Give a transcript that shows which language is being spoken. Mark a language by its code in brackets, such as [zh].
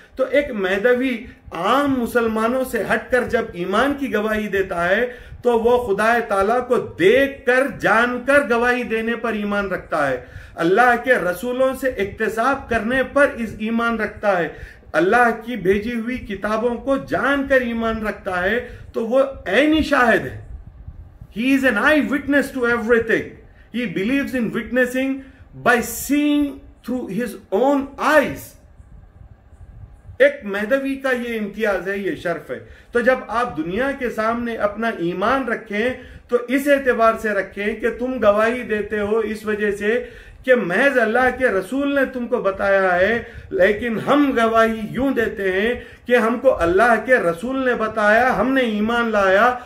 [hi] तो एक मेहदवी आम मुसलमानों से हटकर जब ईमान की गवाही देता है तो वो खुदाए ताला को देखकर जानकर गवाही देने पर ईमान रखता है, अल्लाह के रसूलों से इक्तसाब करने पर इस ईमान रखता है, अल्लाह की भेजी हुई किताबों को जानकर ईमान रखता है, तो वो ऐनी शाहिद है। [en] He is an eyewitness to everything. He believes in witnessing by seeing through his own eyes. [hi] एक मेहदवी का ये इम्तियाज है, ये शर्फ है। तो जब आप दुनिया के सामने अपना ईमान रखें तो इस एतबार से रखें कि तुम गवाही देते हो इस वजह से कि महज अल्लाह के रसूल ने तुमको बताया है, लेकिन हम गवाही यूं देते हैं कि हमको अल्लाह के रसूल ने बताया, हमने ईमान लाया